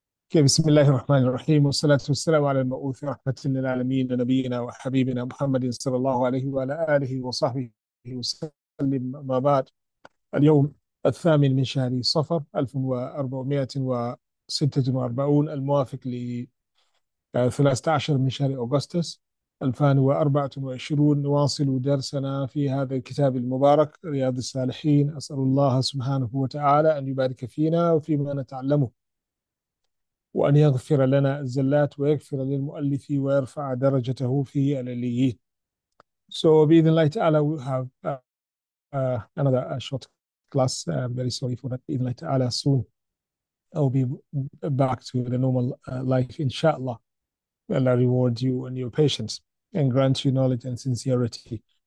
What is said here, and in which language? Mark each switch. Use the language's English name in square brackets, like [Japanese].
[Arabic] Okay, bismillahir rahmanir rahim wa salatu wa salam ala al-ma'uth rahmatin lil alamin wa nabiyyina wa habibina Muhammadin sallallahu alayhi wa ala alihi wa sahbihi wa sallim ma ba'd. Al-yawm al-thamin min shahri safar 1446 al-muwafiq li 13 من شهر أغسطس 2024. نواصل درسنا في هذا الكتاب المبارك رياض الصالحين. أسأل الله سبحانه وتعالى أن يبارك فينا وفيما نتعلمه، وأن يغفر لنا الزلات ويغفر للمؤلف ويرفع درجته في العليين. [English] So [Arabic] بإذن الله تعالى [English] we have another short class. I'm very sorry for that. [Arabic] بإذن الله تعالى [English] soon I'll be back to the normal life [Arabic] إن شاء الله. [English] Allah reward you and your patience and grant you knowledge and sincerity.